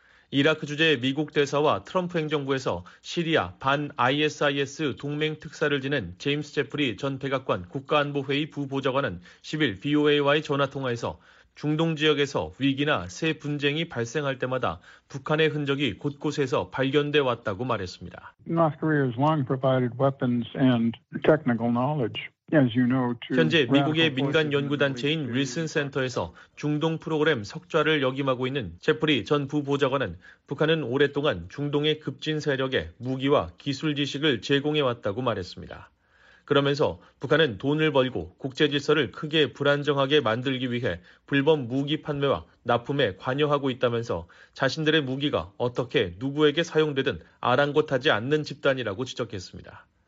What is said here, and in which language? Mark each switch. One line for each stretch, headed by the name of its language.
Korean: 이라크 주재의 미국 대사와 트럼프 행정부에서 시리아 반 ISIS 동맹 특사를 지낸 제임스 제프리 전 백악관 국가안보회의 부보좌관은 10일 VOA와의 전화통화에서 중동 지역에서 위기나 새 분쟁이 발생할 때마다 북한의 흔적이 곳곳에서 발견돼 왔다고 말했습니다.
English: North Korea has long provided weapons and technical knowledge.
Korean: 현재 미국의 민간 연구단체인 윌슨 센터에서 중동 프로그램 석좌를 역임하고 있는 제프리 전 부보좌관은 북한은 오랫동안 중동의 급진 세력에 무기와 기술 지식을 제공해왔다고 말했습니다. 그러면서 북한은 돈을 벌고 국제질서를 크게 불안정하게 만들기 위해 불법 무기 판매와 납품에 관여하고 있다면서 자신들의 무기가 어떻게 누구에게 사용되든 아랑곳하지 않는 집단이라고 지적했습니다.